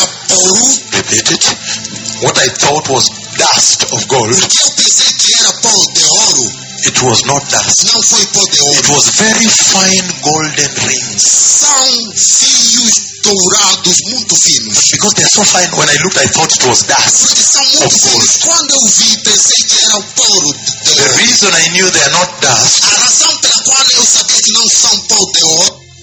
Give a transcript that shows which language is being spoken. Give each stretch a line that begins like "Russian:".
English: Repeat it. What I thought was dust of gold, it was not dust. It was very fine golden rings.
Portuguese: dourados, muito finos.
English: But because they're so fine, when I looked, I thought it was dust.
Portuguese: Porque são muito finos. Quando eu vi, pensei que era o pó de ouro.
English: The reason I knew they are not dust.
Portuguese: A razão pela qual eu sabia que não são pó de ouro.